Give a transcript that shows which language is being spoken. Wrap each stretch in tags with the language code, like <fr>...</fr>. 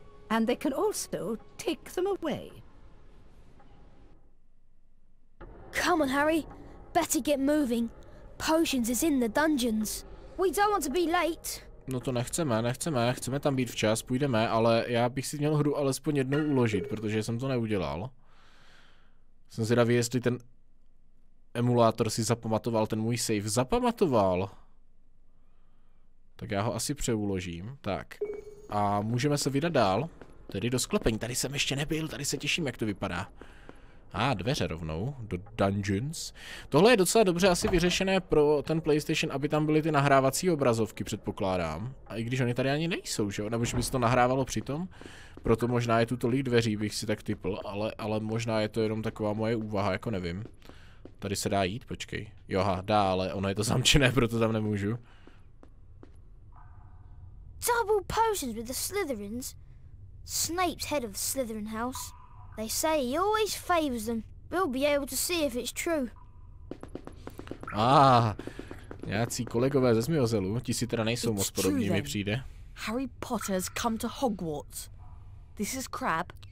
<en>And they can also take them away. Come on, Harry. Better get moving. Potions is in the dungeons. We don't want to be late.</en> <cs>No to nechceme. Chceme tam být včas, půjdeme, ale já bych si měl hru alespoň jednou uložit, protože jsem to neudělal. Jsem zvědavý, jestli ten emulátor si zapamatoval ten můj save. Zapamatoval! Tak já ho asi přeuložím. Tak. A můžeme se vydat dál. Tedy do sklepení. Tady jsem ještě nebyl, tady se těším, jak to vypadá. Dveře rovnou. Do dungeons. Tohle je docela dobře asi vyřešené pro ten PlayStation, aby tam byly ty nahrávací obrazovky, předpokládám. A i když oni tady ani nejsou, že jo? Nebo že by se to nahrávalo přitom. Proto možná je tu tolik dveří, bych si tak typl. Ale možná je to jenom taková moje úvaha, jako nevím. Tady se dá jít, počkej. Joha, dá, ale ono je to zamčené, proto tam nemůžu.</cs> <en>Double potions with the Slytherins. Snape's head of the Slytherin house. They say he always favors them. We'll be able to see if it's true.</en> <cs>Nějací kolegové ze Zmiozelu, ti si teda nejsou moc podobní, mi přijde.</cs> <en>Harry Potter's come to Hogwarts. This is Crab,</en>